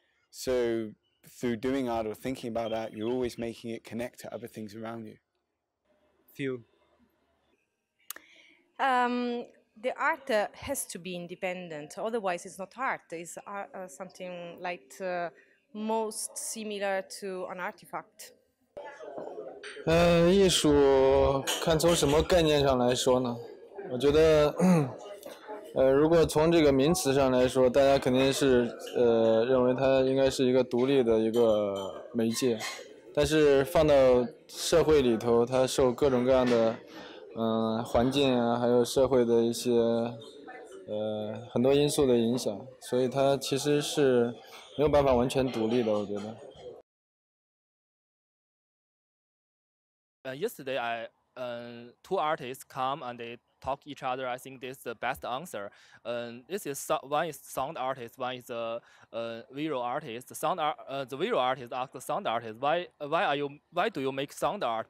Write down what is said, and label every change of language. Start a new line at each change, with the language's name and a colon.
English: So through doing art or thinking about art, you're always making it connect to other things around you. Few. The art has to be independent, otherwise it's not art. It's something like most similar to an artifact.
Chinese: 艺术看从什么概念上来说呢？我觉得，如果从这个名词上来说，大家肯定是认为它应该是一个独立的一个媒介，但是放到社会里头，它受各种各样的环境啊，还有社会的一些很多因素的影响，所以它其实是没有办法完全独立的，我觉得。
English: Yesterday, two artists come and they talk each other. I think this is the best answer. One is sound artist, one is a visual artist. The visual artist asked the sound artist, why do you make sound art?